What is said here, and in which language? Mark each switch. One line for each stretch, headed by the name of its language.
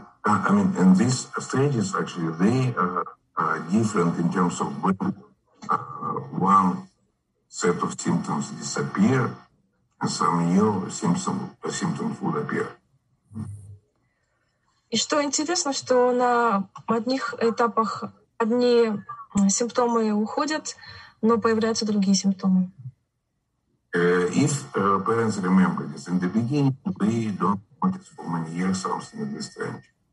English: I mean, and these stages, actually, they are different in terms of when one set of symptoms disappear, and some new symptoms will appear.
Russian: И что интересно, что на одних этапах одни симптомы уходят, но появляются другие симптомы.
English: If parents remember this, in the beginning we don't notice for many years something that is strange.